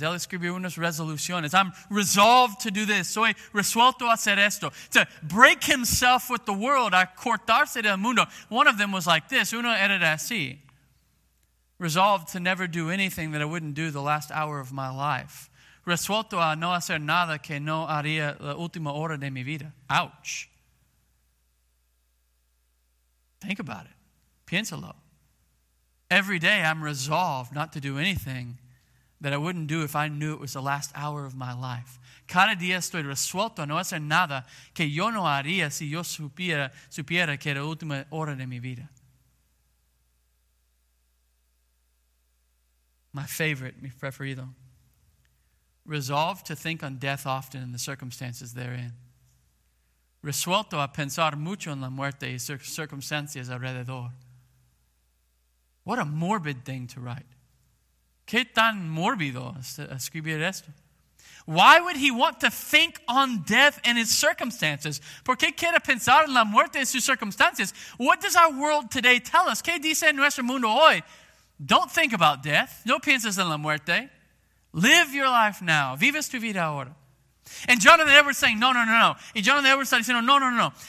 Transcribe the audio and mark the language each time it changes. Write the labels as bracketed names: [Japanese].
[Spanish] Él escribió unas resoluciones. [English] I'm resolved to do this. [Spanish] Soy resuelto a hacer esto. [English] To break himself with the world. [Spanish] A cortarse del mundo. [English] One of them was like this. [Spanish] Uno era así. [English] Resolved to never do anything that I wouldn't do the last hour of my life. [Spanish] Resuelto a no hacer nada que no haría la última hora de mi vida. [English] Ouch. Think about it. [Spanish] Piénsalo. [English] Every day I'm resolved not to do anything that I wouldn't do if I knew it was the last hour of my life. [Spanish] Cada día estoy resuelto a no hacer nada que yo no haría si yo supiera que era la última hora de mi vida. [English] My favorite, [Spanish] mi preferido. [English] Resolve to think on death often and the circumstances therein. [Spanish] Resuelto a pensar mucho en la muerte y circunstancias alrededor. [English] What a morbid thing to write. [Spanish] ¿Qué tan mórbido escribir esto? [English] Why would he want to think on death and his circumstances? [Spanish] ¿Por qué quiere pensar en la muerte y sus circunstancias? [English] What does our world today tell us? [Spanish] ¿Qué dice nuestro mundo hoy? [English] Don't think about death. [Spanish] No pienses en la muerte. [English] Live your life now. [Spanish] Vives tu vida ahora. [English] And Jonathan Edwards is saying, no. Y Jonathan Edwards is saying, no.